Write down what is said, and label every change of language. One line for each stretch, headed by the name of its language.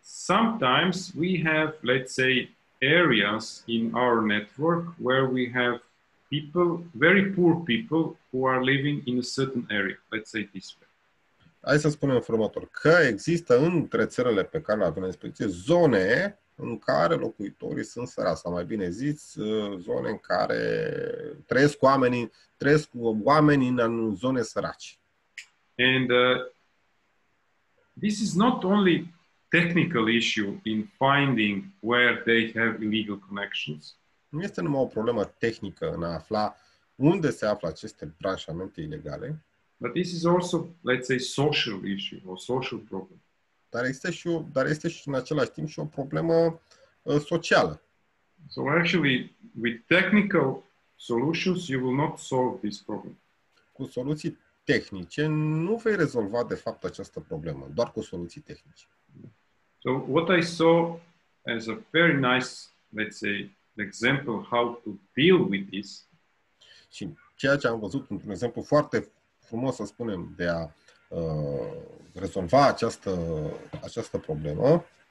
English: Sometimes we have, let's say, areas in our network where we have people, very poor people, who are living in a certain area, let's say this way.
Romanian: Hai să spunem următor, că există între țările pe care le avem inspecție zone în care locuitorii sunt săraci, sau mai bine zis, zone în care trăiesc oamenii în zone săraci.
English: And this is not only technical issue in finding where they have illegal connections.
Romanian: Nu este numai o problemă tehnică în a afla unde se află aceste branșamente ilegale.
English: But this is also, let's say, social issue or social problem.
Romanian: Dar este și în același timp și o problemă socială.
English: So actually, with technical solutions, you will not solve this problem.
Romanian: Cu soluții tehnice nu vei rezolva de fapt această problemă, doar cu soluții tehnice.
English: So what I saw as a very nice, let's say, example how to deal with this.
Romanian: Și ceea ce am văzut într-un exemplu foarte frumos, să spunem, de a rezolva această problemă.